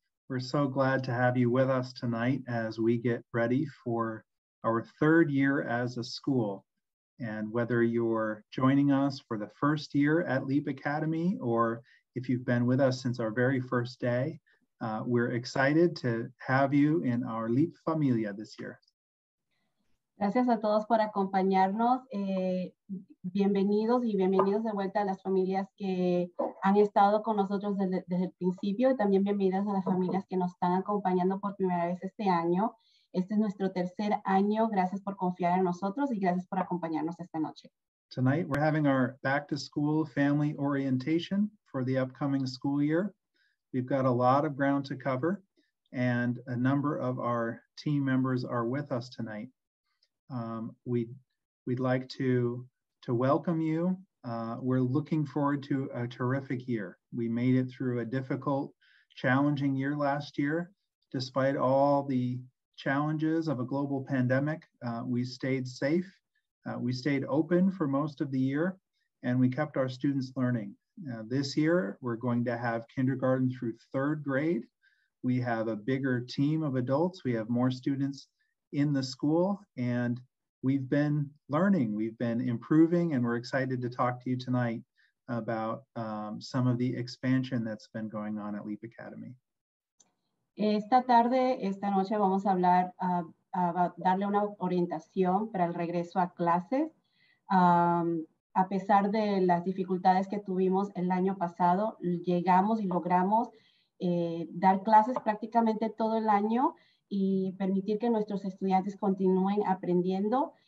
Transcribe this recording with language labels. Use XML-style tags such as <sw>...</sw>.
<en>We're so glad to have you with us tonight as we get ready for our third year as a school. And whether you're joining us for the first year at LEAP Academy, or if you've been with us since our very first day, we're excited to have you in our LEAP familia this year.</en> <es>Gracias a todos por acompañarnos. Bienvenidos y bienvenidos de vuelta a las familias que han estado con nosotros desde el principio, y también bienvenidas a las familias que nos están acompañando por primera vez este año. Este es nuestro tercer año. Gracias por confiar en nosotros y gracias por acompañarnos esta noche.</es> <en>Tonight we're having our back to school family orientation for the upcoming school year. We've got a lot of ground to cover, and a number of our team members are with us tonight. We'd like to welcome you. We're looking forward to a terrific year. We made it through a difficult, challenging year last year. Despite all the challenges of a global pandemic, we stayed safe. We stayed open for most of the year, and we kept our students learning. This year, we're going to have kindergarten through third grade. We have a bigger team of adults. We have more students in the school, and we've been learning, we've been improving, and we're excited to talk to you tonight about some of the expansion that's been going on at LEAP Academy.</en> <es>Esta tarde, esta noche, vamos a hablar, darle una orientación para el regreso a clases. A pesar de las dificultades que tuvimos el año pasado, llegamos y logramos dar clases prácticamente todo el año y permitir que nuestros estudiantes continúen aprendiendo.</es>